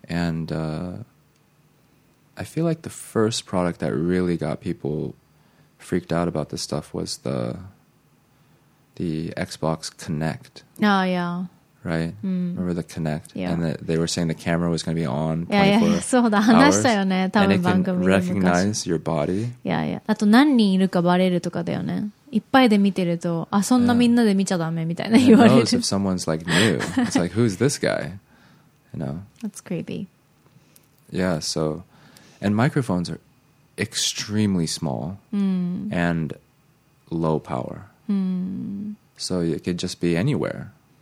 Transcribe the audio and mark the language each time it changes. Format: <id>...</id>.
<en>And I feel like the first product that really got people freaked out about this stuff was the Xbox Kinect. Oh, yeah. Right? Mm. Remember the Kinect? Yeah. And they were saying the camera was going to be on 24 hours. Yeah, and it can recognize your body. Yeah, yeah.</en> <ja>あと何人いるかバレるとかだよね。いっぱいで見てると、あ、そんなみんなで見ちゃダメみたいな言われる。</ja> <en>Yeah. If someone's like new, it's like, who's this guy? You know? That's creepy. Yeah, so, and microphones are extremely small and low power. So it could just be anywhere.</en>